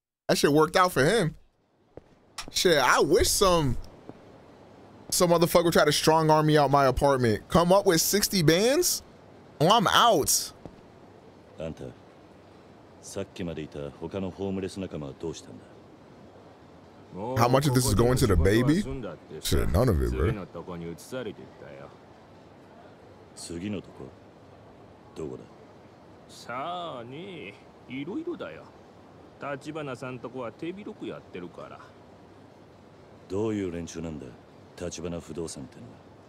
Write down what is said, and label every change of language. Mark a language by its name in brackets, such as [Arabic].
[English] That shit worked out for him. Shit, I wish some motherfucker tried to strong arm me out my apartment. Come up with 60 bands? Oh, I'm out. [Japanese] Anta, さっきまでいた他のホームレス仲間はどうしたんだ? [English] How much of this is going to the baby? Shit, none of it, bro. [Japanese] 次のとこに移されていったよ。次のとこ?どこだ? さあね、いろいろだよ。立花さんとこは手広くやってるから。どういう連中なんだ?立花不動産ってのは、